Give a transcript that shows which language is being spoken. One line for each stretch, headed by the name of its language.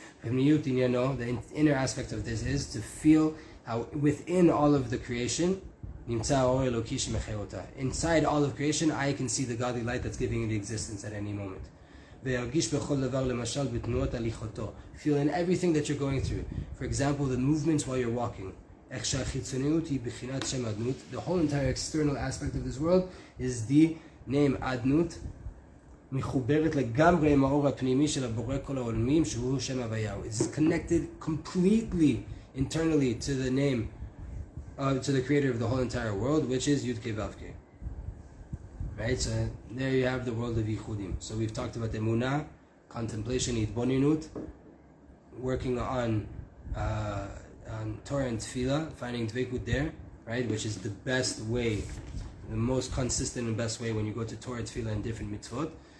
English: The inner aspect of this is to feel how within all of the creation, inside all of creation, I can see the godly light that's giving it existence at any moment. Feel in everything that you're going through. For example, the movements while you're walking. The whole entire external aspect of this world is the name Adnut,
Hebrew: מחוברת לגמרי עם האור הפנימי של הבורא כל העולמים, שהוא שם הוויהו.
English: It's connected completely internally to the name, to the creator of the whole entire world, which is Yud Kei Vav Kei. Right, so there you have the world of Yichudim. So we've talked about Emuna, contemplation, Yitboninut, working on Torah and Tefillah, finding Dveikut there, right, which is the best way, the most consistent and best way when you go to Torah and Tefillah and different mitzvot.